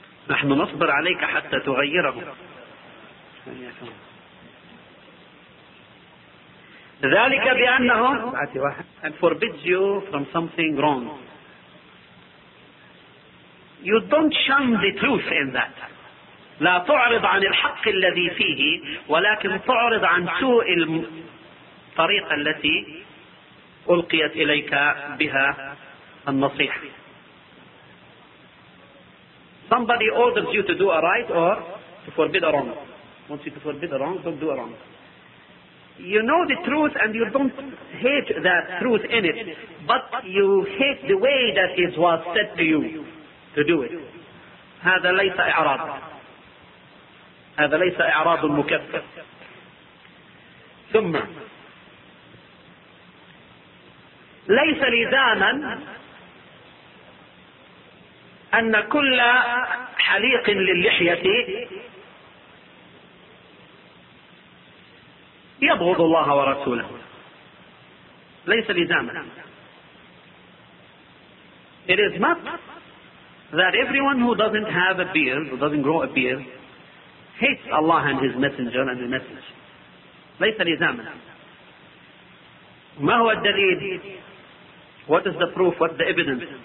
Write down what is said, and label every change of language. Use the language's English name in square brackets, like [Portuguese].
[Arabic] نحن نصبر عليك حتى تغيره. ذلك بأنه [English] and forbids you from something wrong. You don't shun the truth in that. [Arabic] لا تعرض عن الحق الذي فيه ولكن تعرض عن سوء الطريقة التي ألقيت إليك بها النصيحة. [English] Somebody orders you to do a right or to forbid a wrong. Wants you to forbid a wrong, don't do a wrong. You know the truth and you don't hate that truth in it, but you hate the way that it was said to you to do it. [Arabic] هذا ليس إعراض. هذا ليس إعراض مكفر. ثم ليس لزاما أن كل حليق للحية يبغض الله ورسوله. ليس لزاما. [English] It is not that everyone who doesn't have a beard, who doesn't grow a beard, hates Allah and His Messenger and the Message. [Arabic] ليس لزاما. ما هو الدليل? [English] What is the proof? What is the evidence?